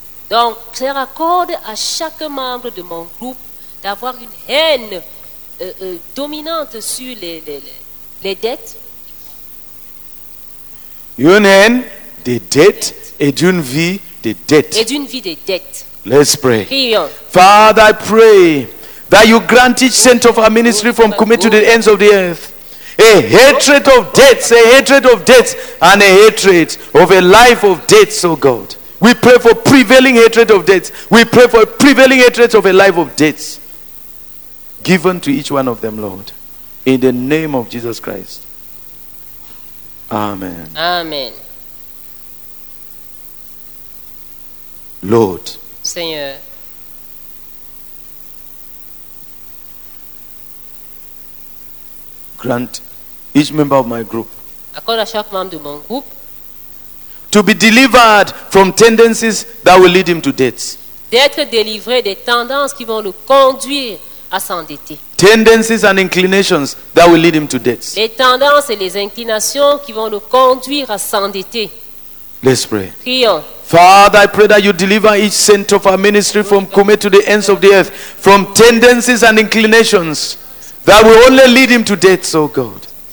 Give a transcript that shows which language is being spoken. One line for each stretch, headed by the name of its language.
French: Donc, je raccorde à chaque membre de mon groupe d'avoir une haine dominante sur les dettes. Une haine des dettes et d'une vie des dettes. Et d'une vie des dettes.
English: Let's pray.
French: Prions.
English: Father, I pray that you grant each cent of our ministry from committed to the ends of the earth. A hatred of debts, and a hatred of a life of debts, O God. We pray for prevailing hatred of debts. We pray for prevailing hatred of a life of debts given to each one of them, Lord. In the name of Jesus Christ. Amen. Amen. Lord.
French: Seigneur.
English: Grant each member of my group,
French: accorde à chaque membre de mon groupe,
English: to be delivered from tendencies that will lead him to debts.
French: D'être délivré des tendances qui vont le conduire à s'endetter.
English: Tendencies and inclinations that will lead him to debts.
French: Les tendances et les inclinations qui vont le conduire à s'endetter.
English: Let's pray.
French: Prions.
English: Father, I pray that you deliver each saint of our ministry from Kumeh to the ends of the earth from tendencies and inclinations that will only lead him to debts, oh God.